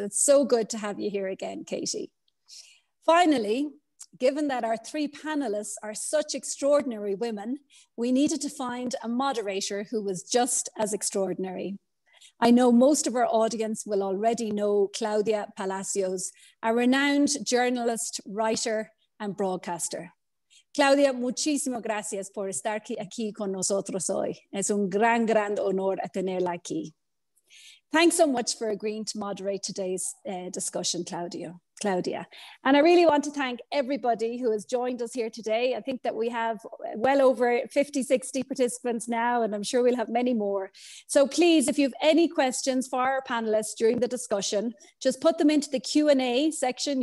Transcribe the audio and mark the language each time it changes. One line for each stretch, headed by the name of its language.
English: And it's so good to have you here again, Katie. Finally, given that our three panelists are such extraordinary women, we needed to find a moderator who was just as extraordinary. I know most of our audience will already know Claudia Palacios, a renowned journalist, writer, and broadcaster.
Spanish: Claudia, muchísimas gracias por estar aquí con nosotros hoy. Es un gran, gran honor tenerla aquí.
English: Thanks so much for agreeing to moderate today's discussion, Claudia. And I really want to thank everybody who has joined us here today. I think that we have well over 50, 60 participants now, and I'm sure we'll have many more. So please, if you have any questions for our panelists during the discussion, just put them into the Q&A section.